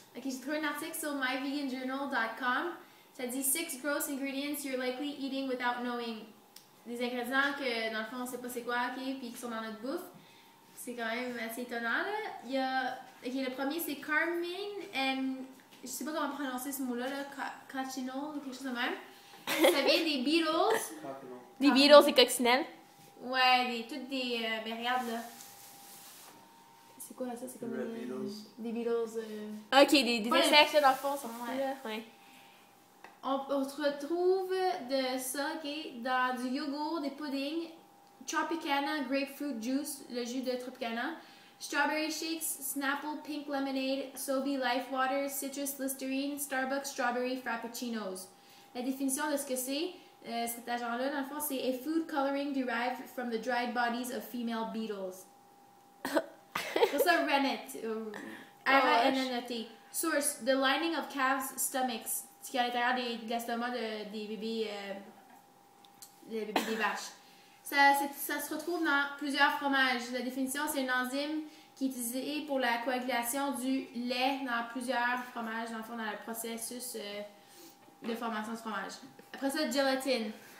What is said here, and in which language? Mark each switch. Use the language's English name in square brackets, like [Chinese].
[French] Ok, j'ai trouvé un article sur myveganjournal.com. Ça dit [English] 6 gross ingredients you're likely eating without knowing. [French] Des ingrédients que dans le fond on sait pas c'est quoi, ok, puis qui sont dans notre bouffe. C'est quand même assez étonnant là. Il y a. Ok, le premier c'est carmine and. Je sais pas comment prononcer ce mot-là, là. Cochinol ou quelque chose de même. Ça vient des beetles. Des beetles et coccinelles. Ouais, toutes des regarde là. C'est quoi ça? C'est comme des beetles. Ok, des insectes dans le fond, ça ouais. Ouais. On se retrouve de ça, ok, dans du yogourt, des puddings, Tropicana Grapefruit Juice, le jus de Tropicana, Strawberry Shakes, Snapple Pink Lemonade, Sobe Life Water, Citrus Listerine, Starbucks Strawberry Frappuccinos. La définition de ce que c'est, cet agent-là, dans le fond, c'est [English] a food coloring derived from the dried bodies of female beetles. [French] C'est ça, Rennet. R-A-N-N-E-T. [English] Source, the lining of calves' stomachs. [French] Ce qu'il y a à l'intérieur de l'estomac des bébés des vaches. Ça se retrouve dans plusieurs fromages. La définition, c'est une enzyme qui est utilisée pour la coagulation du lait dans plusieurs fromages, dans le fond, dans le processus de formation du fromage. Après ça, gélatine.